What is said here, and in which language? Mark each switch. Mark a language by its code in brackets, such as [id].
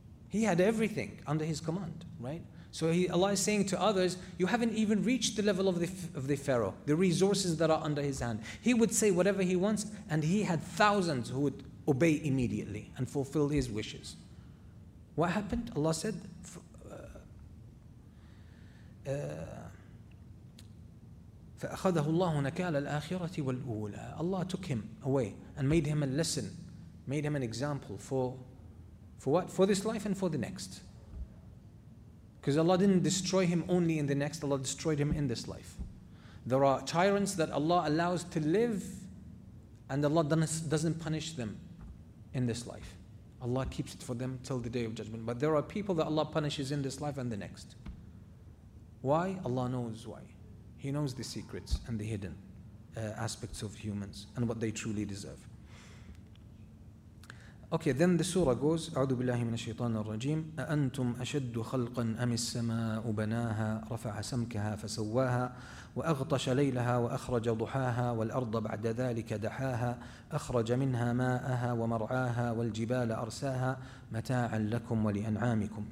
[en] He had everything under his command, right? So Allah is saying to others, you haven't even reached the level of the Pharaoh, the resources that are under his hand. He would say whatever he wants, and he had thousands who would obey immediately and fulfill his wishes. What happened? Allah said, [ar] فَأَخَذَهُ اللَّهُ نَكَالَ الْآخِرَةِ وَالْأُولَى. [en] Allah took him away and made him a lesson, made him an example for what? For this life and for the next. Because Allah didn't destroy him only in the next, Allah destroyed him in this life. There are tyrants that Allah allows to live, and Allah doesn't punish them in this life. Allah keeps it for them till the day of judgment. But there are people that Allah punishes in this life and the next. Why? Allah knows why. He knows the secrets and the hidden aspects of humans and what they truly deserve. Okay, then the surah goes, [ar] أعوذ بالله من الشيطان الرجيم أأنتم أشد خلقا أم السماء بناها رفع سمكها فسواها وأغطش ليلها وأخرج ضحاها والأرض بعد ذلك دحاها أخرج منها ماءها ومرعاها والجبال أرساها متاعا لكم ولأنعامكم.